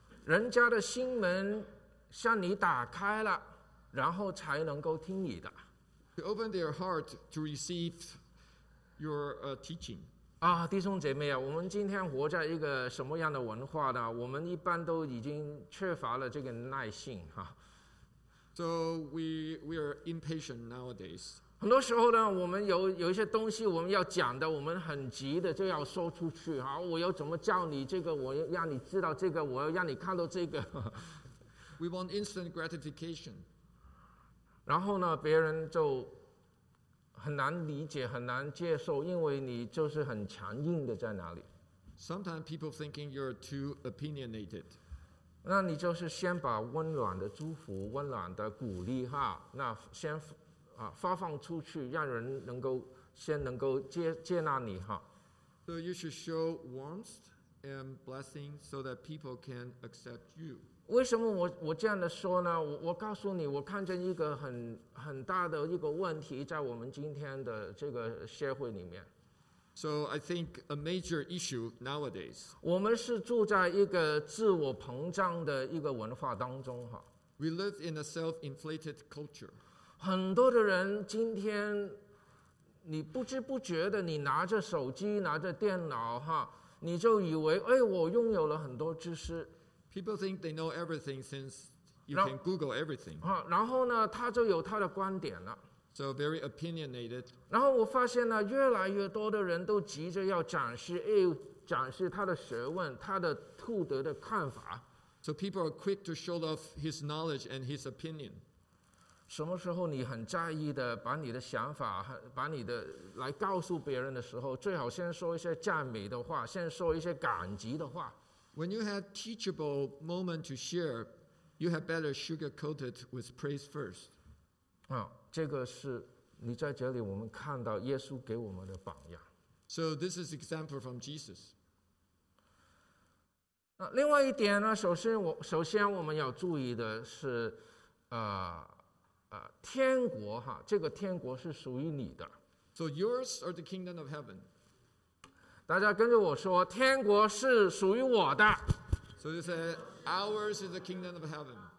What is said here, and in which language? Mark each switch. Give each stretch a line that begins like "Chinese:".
Chinese: 人家的心门向你打开了，然后才能够听你的。
English: To open their heart to receive your teaching.
Chinese: 啊，弟兄姐妹啊，我们今天活在一个什么样的文化呢？我们一般都已经缺乏了这个耐性哈。
English: So we are impatient nowadays.
Chinese: 很多时候呢，我们 有一些东西我们要讲的，我们很急的就要说出去。好，我要怎么叫你这个，我要让你知道这个，我要让你看到这个。
English: We want instant gratification.
Chinese: 然后呢，别人就很难理解，很难接受，因为你就是很强硬的在哪里。
English: Sometimes people thinking you're too opinionated.
Chinese: 那你就是先把温暖的祝福、温暖的鼓励哈，那先啊发放出去，让人能够先能够接纳你哈。
English: So you should show warmth and blessing so that people can accept you.
Chinese: 为什么我这样的说呢？我告诉你，我看见一个很大的一个问题在我们今天的这个社会里面。
English: So I think a major issue nowadays.
Chinese: 我们是住在一个自我膨胀的一个文化当中哈。
English: We live in a self-inflated culture.
Chinese: 很多的人今天，你不知不觉的，你拿着手机，拿着电脑哈，你就以为哎，我拥有了很多知识。
English: People think they know everything since you can Google everything.
Chinese: 然后呢，他就有他的观点了。
English: So very opinionated.
Chinese: 然后我发现呢，越来越多的人都急着要展示，哎，展示他的学问，他的兔德的看法。
English: So people are quick to show off his knowledge and his opinion.
Chinese: 什么时候你很在意的把你的想法，把你的来告诉别人的时候，最好先说一些赞美的话，先说一些感激的话。
English: When you have teachable moment to share, you had better sugarcoat it with praise first.
Chinese: 这个是你在这里我们看到耶稣给我们的榜样。
English: So this is example from Jesus.
Chinese: 另外一点呢，首先我们要注意的是，天国哈，这个天国是属于你的。
English: So yours are the kingdom of heaven.
Chinese: 大家跟着我说，天国是属于我的。
English: So you say, ours is the kingdom of heaven.